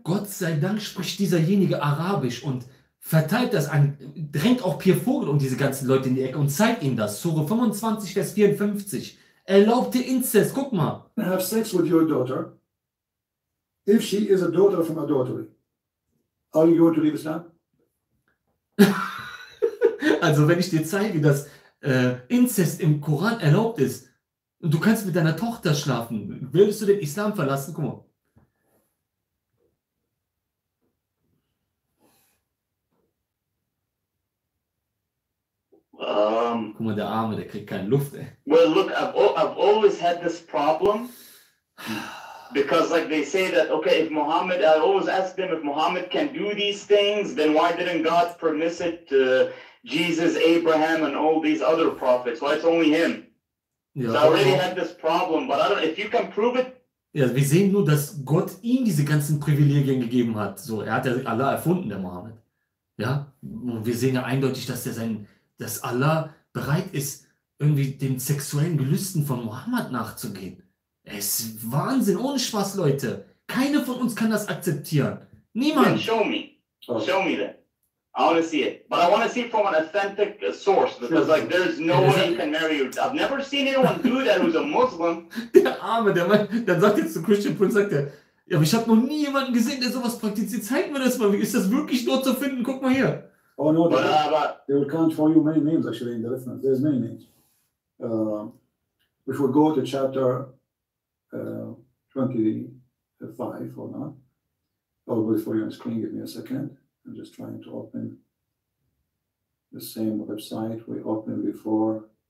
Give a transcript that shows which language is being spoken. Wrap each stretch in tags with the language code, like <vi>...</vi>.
<de>Gott sei Dank spricht dieserjenige Arabisch und verteilt das an, drängt auch Pierre Vogel und diese ganzen Leute in die Ecke und zeigt ihnen das. Sure 25, Vers 54. Erlaubte Inzest, guck mal.</de> <en>Have sex with your daughter, if she is a daughter from adultery. Are you going to leave Islam?</en> <de>Also, wenn ich dir zeige, dass Inzest im Koran erlaubt ist und du kannst mit deiner Tochter schlafen, würdest du den Islam verlassen? Guck mal. Guck mal, der Arme, der kriegt keine Luft, ey.</de> <en>Well, look, I've always had this problem because like they say that, okay, if Muhammad, I always ask them, if Muhammad can do these things, then why didn't God permit it to Jesus, Abraham and all these other prophets. Why it's only him? Ja, so I really had this problem, but I don't, if you can prove it.</en> <de>Ja, wir sehen nur, dass Gott ihm diese ganzen Privilegien gegeben hat. So, er hat ja Allah erfunden, der Mohammed. Ja, und wir sehen ja eindeutig, dass Allah bereit ist, irgendwie den sexuellen Gelüsten von Mohammed nachzugehen. Es ist Wahnsinn, ohne Spaß, Leute. Keiner von uns kann das akzeptieren. Niemand.</de> <en>Then show me. Oh. Show me that. I want to see it. But I want to see it from an authentic source. Because like there's no way you can marry you. I've never seen anyone do that who's a Muslim.</en> <de>Der Arme, der Mann, dann sagt jetzt zu Christian Prince, sagt er, ja, aber ich habe noch nie jemanden gesehen, der sowas praktiziert. Zeig mir das mal. Ist das wirklich dort zu finden? Guck mal hier.</de> <en>Oh no, they will count for you many names actually in the reference. There's many names. If we go to chapter 25 or not. Oh, before you on screen, give me a second. I'm just trying to open the same website we opened before.</en>